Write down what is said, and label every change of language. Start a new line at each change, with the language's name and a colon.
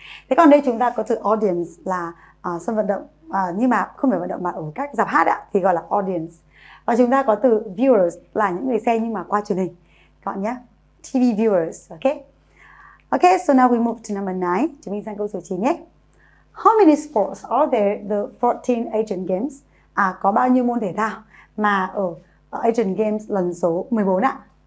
Vietnamese: Thế còn đây chúng ta có từ audience là sân vận động, nhưng mà không phải vận động mà ở các rạp hát ạ, thì gọi là audience. Và chúng ta có từ viewers là những người xem nhưng mà qua truyền hình, các bạn nhé, TV viewers, ok?
English: Ok, so now we move to number 9.
Vietnamese: Chúng mình sang câu số 9 nhé.
English: How many sports are there the 14 Asian Games?
Vietnamese: À, có bao nhiêu môn thể thao mà ở Asian Games lần số 14 ạ?